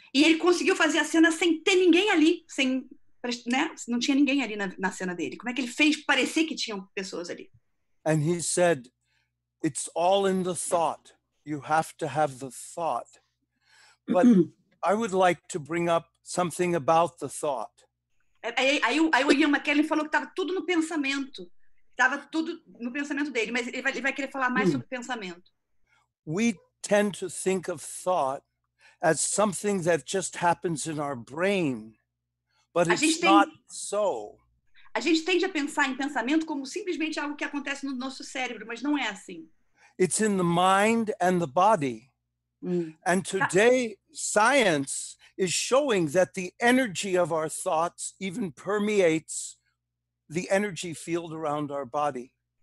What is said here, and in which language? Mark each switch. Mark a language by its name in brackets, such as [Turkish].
[Portuguese] E ele conseguiu fazer a cena sem ter ninguém ali, sem, né? Não tinha ninguém ali na cena dele. Como é que ele fez parecer que tinham pessoas ali? [English] And he said, it's all in the thought. You have to have the thought. But I would like to bring up something about the thought. [Portuguese] Aí o Ian McKellen falou que estava tudo no pensamento. Estava tudo no pensamento dele, mas ele vai querer falar mais sobre pensamento. [English] We tend to think of thought as something that just happens in our brain, but it's not so. [Portuguese] A gente tende a pensar em pensamento como simplesmente algo que acontece no nosso cérebro, mas não é assim. [English] It's in the mind and the body. And today, science is showing that the energy of our thoughts even permeates the energy field around our body.